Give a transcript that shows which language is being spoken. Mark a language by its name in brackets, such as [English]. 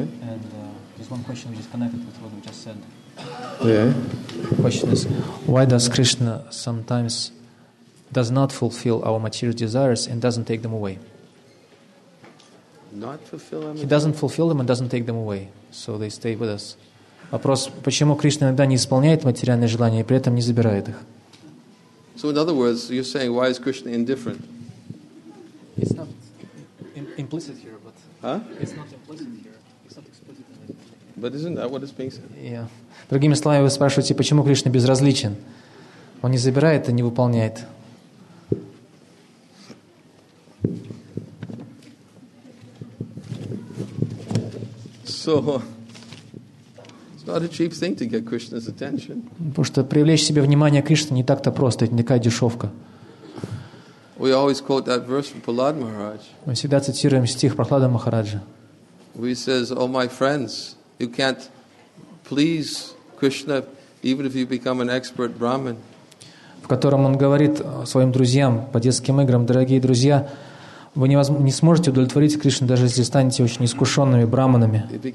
[English] And there's one question which is connected with what you just said. Yeah. The question is, why does Krishna sometimes does not fulfill our material desires and doesn't take them away? Not fulfill them? He doesn't fulfill them and doesn't take them away. So they stay with us. [Russian] Вопрос, почему Кришна иногда не исполняет материальные желания и при этом не забирает их? [English] So in other words, you're saying, why is Krishna indifferent? It's not implicit here, but... Huh? It's not implicit here. It's not explicit. But isn't that what it's being said? Yeah. [Russian] Другими словами, вы спрашиваете, почему Кришна безразличен? Он не забирает и не выполняет. [English] So... Not a cheap thing to get Krishna's attention. [Russian] Потому что привлечь себе внимание Кришны не так-то просто, это не такая дешевка. [English] We always quote that verse from Prahlad Maharaj. [Russian] Мы всегда цитируем стих Прохлада Махараджа. [English] He says, "Oh my friends, you can't please, Krishna, even if you become an expert Brahmin. [Russian] В котором он говорит своим друзьям по детским играм: дорогие друзья, вы не сможете удовлетворить Кришну, даже если станете очень искушенными браманами.